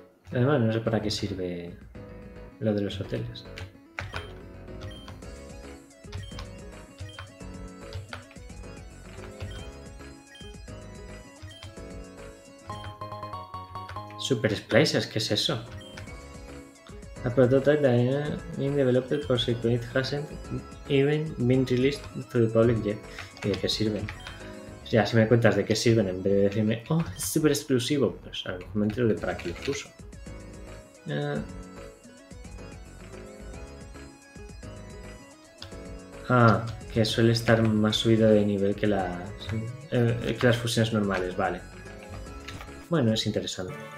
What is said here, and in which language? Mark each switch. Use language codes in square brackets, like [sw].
[es] Además, no sé para qué sirve... Lo de los hoteles. Super Splices, ¿qué es eso? [en] A prototype that has been developed for Secret hasn't even been released to the public yet. [es] ¿Y de qué sirven? Ya, si me cuentas de qué sirven en vez de decirme, oh, es super exclusivo, pues a lo mejor me entero de para qué lo uso. Ah, que suele estar más subido de nivel que las fusiones normales, vale. Bueno, es interesante.